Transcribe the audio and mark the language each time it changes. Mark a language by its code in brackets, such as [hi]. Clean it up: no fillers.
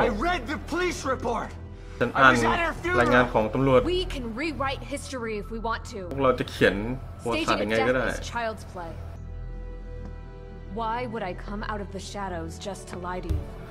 [en] I read the police report. [th] ฉันอ่านรายงานของตำรวจ [en] We can rewrite history if we want to. [th] พวกเราจะเขียนประวัติศาสตร์ยังไงก็ได้ [en] Child's playWhy would I come out of the shadows just to lie to you?